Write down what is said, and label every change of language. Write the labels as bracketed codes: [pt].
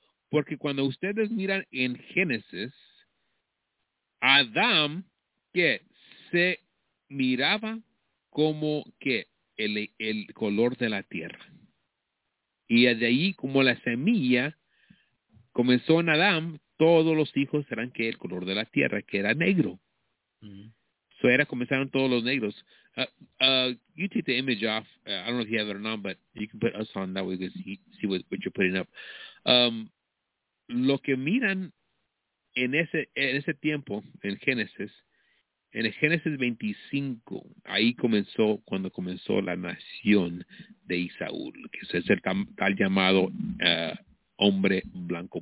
[es] Porque cuando ustedes miran en Génesis, Adán, que se miraba como que el color de la tierra. Y de ahí, como la semilla comenzó en Adán, todos los hijos eran que el color de la tierra, que era negro. [en] Uh-huh. So [es] era, comenzaron todos los negros. [en] You take the image off. I don't know if you have it or not, but you can put us on that way to see what you're putting up. [es] Lo que miran en ese tiempo, en el Génesis 25, ahí comenzó cuando comenzó la nación de Esaú, que es el tal llamado hombre blanco.